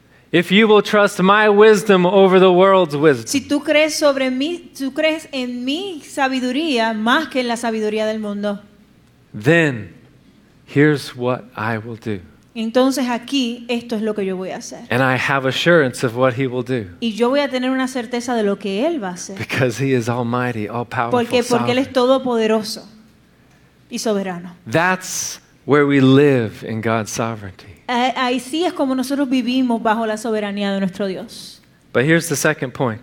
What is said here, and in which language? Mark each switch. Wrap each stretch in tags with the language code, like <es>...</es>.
<en>If you will trust my wisdom over the world's wisdom,</en> <es>si tú crees sobre mí, tú crees en mi sabiduría más que en la sabiduría del mundo.</es> <en>Then. Here's what I will do.</en> <es>Entonces aquí esto es lo que yo voy a hacer.</es> <en>And I have assurance of what He will do.</en> <es>Y yo voy a tener una certeza de lo que Él va a hacer.</es> <en>Because He is almighty, all powerful.</en> <es>Porque Él es todopoderoso y soberano.</es> <en>That's where we live in God's sovereignty.</en> <es>Ahí sí es como nosotros vivimos bajo la soberanía de nuestro Dios.</es> <en>But here's the second point.</en>